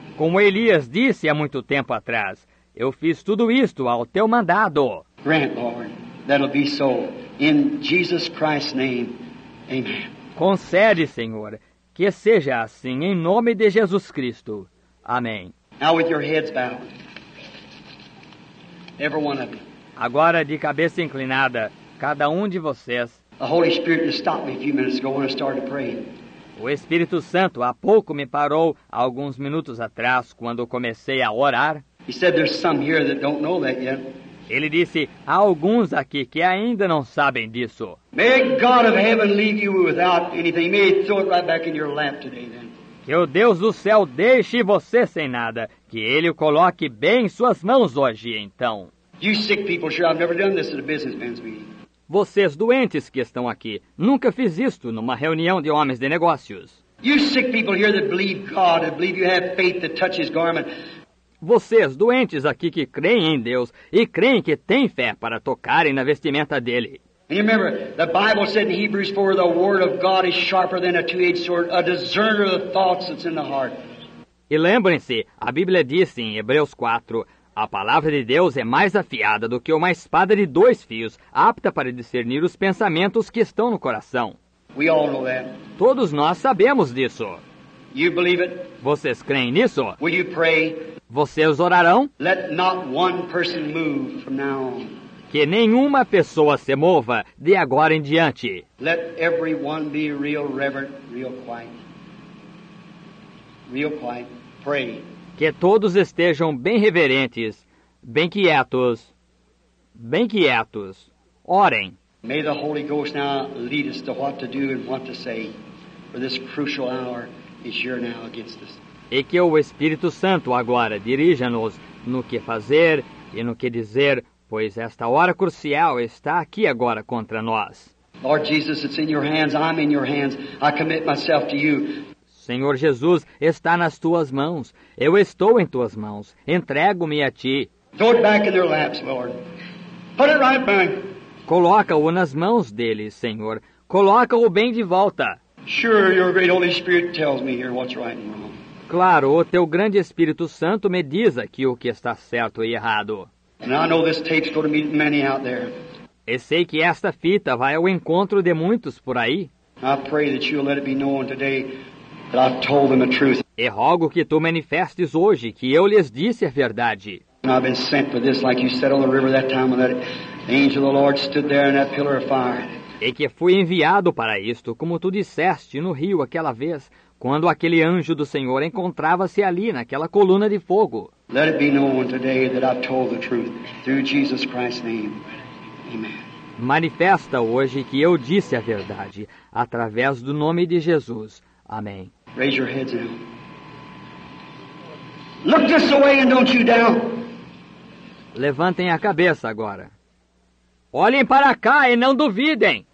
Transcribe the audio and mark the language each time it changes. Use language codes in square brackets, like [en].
[pt] Como Elias disse há muito tempo atrás, eu fiz tudo isto ao teu mandado. [en] Grant, Lord, that it'll be so. In Jesus Christ's name, amen. [pt] Concede, Senhor, que seja assim em nome de Jesus Cristo. Amém. [en] Now with your heads bowed. Every one of you. [pt] Agora de cabeça inclinada, cada de vocês. [en] The Holy Spirit just stopped me a few minutes ago when I started to pray. [pt] O Espírito Santo há pouco me parou alguns minutos atrás quando comecei a orar. [en] He said there's some here that don't know that yet. [pt] Ele disse, há alguns aqui que ainda não sabem disso. [en] May God of heaven leave you without anything. May he throw it right back in your lap today then. [pt] Que o Deus do céu deixe você sem nada. Que ele o coloque bem em suas mãos hoje, então. [en] You sick people, sure, I've never done this at a businessman's meeting. [pt] Vocês doentes que estão aqui, nunca fiz isto numa reunião de homens de negócios. [en] You sick people here that believe God and believe you have faith to touch his garment. [pt] Vocês doentes aqui que creem em Deus e creem que têm fé para tocarem na vestimenta dele. [en] And you remember, the Bible said in Hebrews 4, the word of God is sharper than a two-edged sword, a discerner of the thoughts that's in the heart. [pt] E lembrem-se, a Bíblia disse em Hebreus 4, a palavra de Deus é mais afiada do que uma espada de dois fios, apta para discernir os pensamentos que estão no coração. [en] We all know that. [pt] Todos nós sabemos disso. [en] You believe it? [pt] Vocês creem nisso? [en] Will you pray? [pt] Vocês orarão? [en] Let not one person move from now on. [pt] Que nenhuma pessoa se mova de agora em diante. [en] Let everyone be real reverent, real quiet. Real quiet. Pray. [pt] Que todos estejam bem reverentes, bem quietos, bem quietos. Orem. [en] May the Holy Ghost now lead us to what to do and what to say, for this crucial hour is here now against us. [pt] E que o Espírito Santo agora dirija-nos no que fazer e no que dizer, pois esta hora crucial está aqui agora contra nós. [en] Lord Jesus, it's in your hands. I'm in your hands. I commit myself to you. [pt] Senhor Jesus, está nas tuas mãos. Eu estou em tuas mãos. Entrego-me a ti. [en] Throw it back in their laps, Lord. Put it right back. [pt] Coloca-o nas mãos deles, Senhor. Coloca-o bem de volta. [en] Sure, your great Holy Spirit tells me here what's right and wrong. [pt] Claro, o teu grande Espírito Santo me diz aqui o que está certo e errado. [en] And I know this tape's going to meet many out there. [pt] E sei que esta fita vai ao encontro de muitos por aí. [en] I pray that you'll let it be known today. That I've told them the truth. [pt] E rogo que tu manifestes hoje que eu lhes disse a verdade. [en] I've been sent for this, like you said on the river that time when that angel of the Lord stood there in that pillar of fire. [pt] E que fui enviado para isto, como tu disseste no rio aquela vez, quando aquele anjo do Senhor encontrava-se ali naquela coluna de fogo. [en] Let it be known today that I've told the truth through Jesus Christ's name. Amen. [pt] Manifesta hoje que eu disse a verdade através do nome de Jesus. Amém. [en] Raise your heads now. Look this way and don't you down. [pt] Levantem a cabeça agora. Olhem para cá e não duvidem.